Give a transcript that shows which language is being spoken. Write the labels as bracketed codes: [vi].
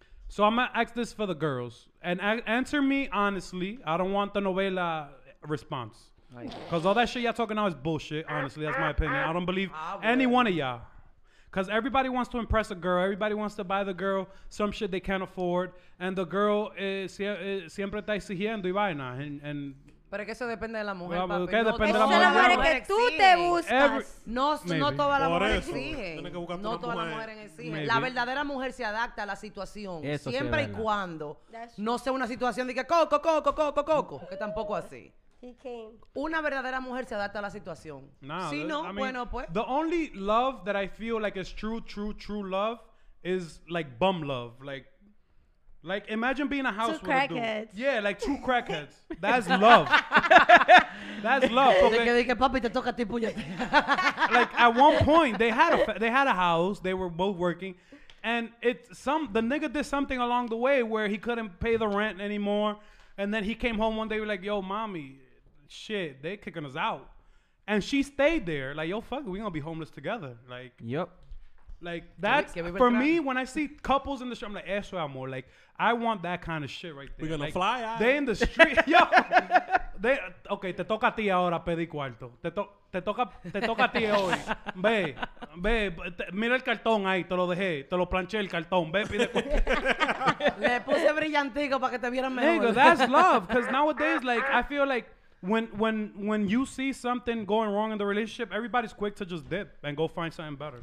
[en] So I'm going to ask this for the girls. And answer me honestly. I don't want the novela response. Because all that shit y'all talking about is bullshit, honestly. That's my opinion. I don't believe any one of y'all. Because everybody wants to impress a girl. Everybody wants to buy the girl some shit they can't afford. And the girl [es] siempre está exigiendo y vaina. [en] And [es] pero es que eso depende de la mujer, papi. ¿Qué depende de la mujer? Es la mujer que tú te buscas. No todas las mujeres exigen. Tienes que buscar no todas las mujeres exigen. La verdadera mujer se adapta a la situación. Eso siempre sí y cuando. No sea una situación de que coco. Que tampoco así. Una verdadera mujer se adapta a la situación. Bueno, pues. [en] The only love that I feel like is true love is like bum love. Like, imagine being a house with a dude. Two crackheads. Yeah, like two crackheads. That's love. That's love. [es] Dice, papi, te toca a ti puñete. [en] Like, at one point, they had a house. They were both working. And the nigga did something along the way where he couldn't pay the rent anymore. And then he came home one day, like, yo, mommy, shit, they kicking us out. And she stayed there. Like, yo, fuck it, we gonna be homeless together. Like, yep. Like, that's, for me, when I see couples in the street, I'm like, [es] eso es amor. [en] Like, I want that kind of shit right there. We're going like, to fly out. They in the street. Yo. They, okay, [es] te toca a ti ahora pedir cuarto. Te toca a ti hoy. Ve. Mira el cartón ahí. Te lo dejé. Te lo planché el cartón. Ve, pide cuarto. Le puse brillantico para que te vieran mejor. [en] Nigga, that's love. Because nowadays, like, I feel like when you see something going wrong in the relationship, everybody's quick to just dip and go find something better.